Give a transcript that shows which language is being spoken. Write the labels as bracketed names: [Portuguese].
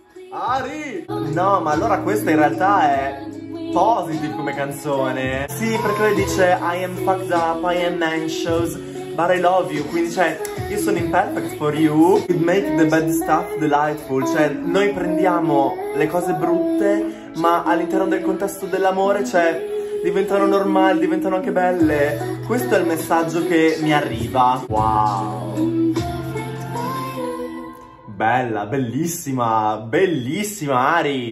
[Italian] Ari! No, ma allora questa in realtà è positive come canzone. Sì, perché lei dice [English] I am fucked up, I am anxious, but I love you. [Italian] Quindi cioè, io sono [English] imperfect for you. It makes the bad stuff delightful. [Italian] Cioè, noi prendiamo le cose brutte, ma all'interno del contesto dell'amore, cioè, diventano normali, diventano anche belle. Questo è il messaggio che mi arriva. Wow. Bella, bellissima, bellissima Ari.